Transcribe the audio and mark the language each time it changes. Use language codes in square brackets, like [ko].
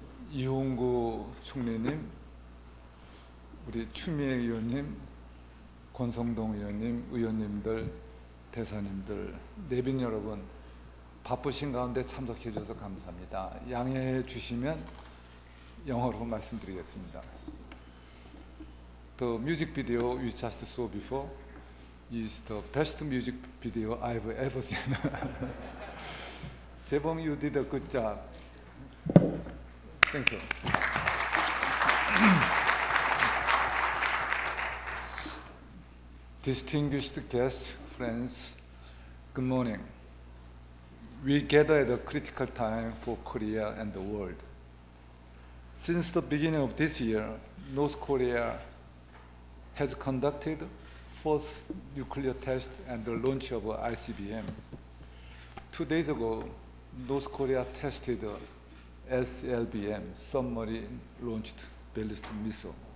[ko] 이홍구 총리님, 우리 추미애 의원님, 권성동 의원님, 의원님들, 대사님들, 내빈 여러분, 바쁘신 가운데 참석해 주셔서 감사합니다. 양해해 주시면 영어로 말씀드리겠습니다. [en] The music video we just saw before is the best music video I've ever seen. 재봉, you did a good job. Thank you. 디스팅귀시드 게스트, 프렌즈, 굿모닝. We gather at a critical time for Korea and the world. Since the beginning of this year, North Korea has conducted first nuclear test and the launch of ICBM. 2 days ago, North Korea tested SLBM, Submarine Launched Ballistic Missile.